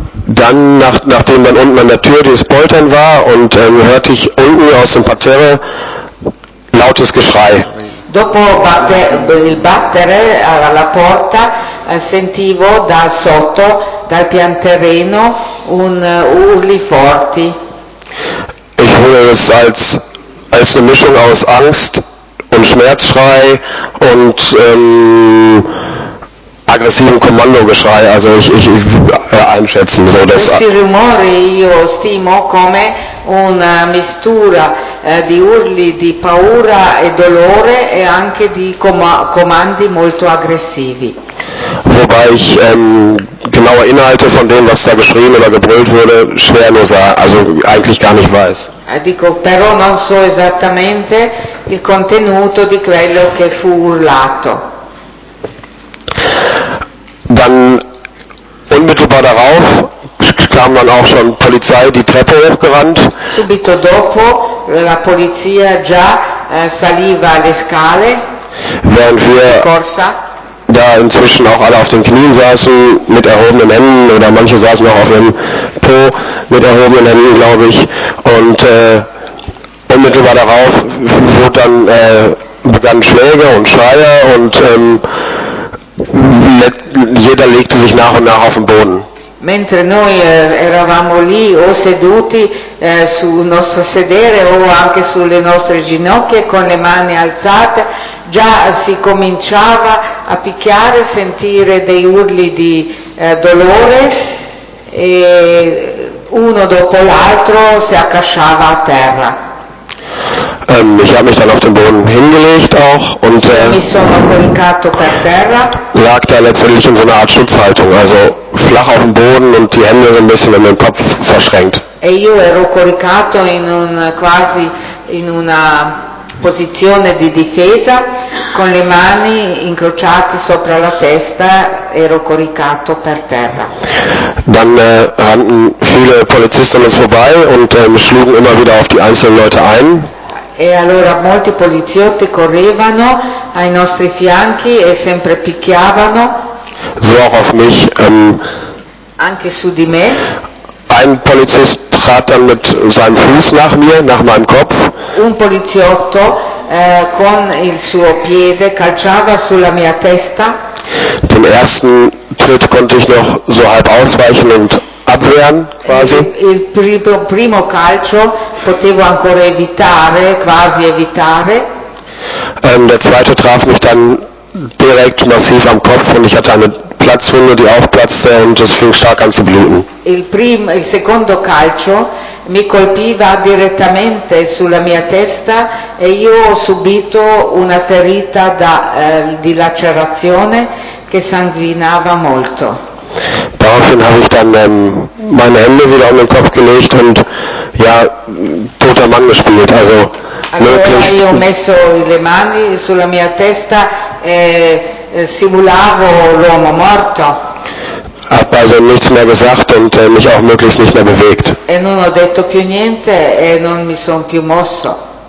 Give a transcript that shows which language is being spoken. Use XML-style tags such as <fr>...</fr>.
<de>Dann, nachdem dann unten an der Tür dieses Poltern war und hörte ich unten aus dem Parterre lautes Geschrei.</de> <it>Dopo il battere alla porta sentivo da sotto, dal pian terreno, urli forti.</it> <de>Ich würde es als eine Mischung aus Angst und Schmerzschrei und aggressivem Kommandogeschrei, also ich einschätzen. So, dass</de> <it>questi rumori io stimo come una mistura di urli di paura e dolore e anche di comandi molto aggressivi.</it> <de>Wobei ich genaue Inhalte von dem, was da geschrien oder gebrüllt wurde, schwerloser, also eigentlich gar nicht weiß.</de> <it>Dico, però non so esattamente il contenuto di quello che fu urlato.</it> <de>Dann unmittelbar darauf kam dann auch schon Polizei die Treppe hochgerannt.</de> <it>Subito dopo la polizia già saliva le scale.</it> <de>Während wir</de> <it>corsa.</it> <de>Da inzwischen auch alle auf den Knien saßen mit erhobenen Händen oder manche saßen auch auf dem Po mit erhobenen Händen, glaube ich. Und unmittelbar darauf begannen Schläge und Schreie und jeder legte sich nach und nach auf den Boden.</de> <it>Mentre noi eravamo lì o seduti sul nostro sedere o anche sulle nostre ginocchia con le mani alzate, già si cominciava a picchiare, sentire dei urli di dolore e uno dopo l'altro si accasciava a terra.</it> <de>Ich habe mich dann auf den Boden hingelegt auch und lag da letztendlich in so einer Art Schutzhaltung, also flach auf dem Boden und die Hände so ein bisschen in den Kopf verschränkt.</de> <it>E io ero coricato in un quasi in una posizione di difesa con le mani incrociate sopra la testa, ero coricato per terra.</it> <de>Dann rannten viele Polizisten uns vorbei und schlugen immer wieder auf die einzelnen Leute ein.</de> <it>E allora molti poliziotti correvano ai nostri fianchi e sempre picchiavano.</it> <de>So auch auf mich,</de> <it>anche su di me.</it> <de>Ein Polizist trat dann mit seinem Fuß nach mir, nach meinem Kopf.</de> <it>Un poliziotto con il suo piede calciava sulla mia testa.</it> <de>Dem ersten Tritt konnte ich noch so halb ausweichen und abwehren quasi.</de> <it>Il primo calcio potevo ancora evitare, quasi evitare.</it> <de>Der zweite traf mich dann direkt massiv am Kopf und ich hatte eine Platzwunde, die aufplatzte und es fing stark an zu bluten.</de> <it>Il secondo calcio mi colpiva direttamente sulla mia testa e io ho subito una ferita di lacerazione che sanguinava molto.</it> <de>Daraufhin habe ich dann meine Hände wieder um den Kopf gelegt und ja, toter Mann gespielt, also</de> <it>allora io ho messo le mani sulla mia testa e simulavo l'uomo morto.</it> <de>Hab also nichts mehr gesagt und mich auch möglichst nicht mehr bewegt.</de> <it>E non ho detto più niente e non mi son più mosso.</it>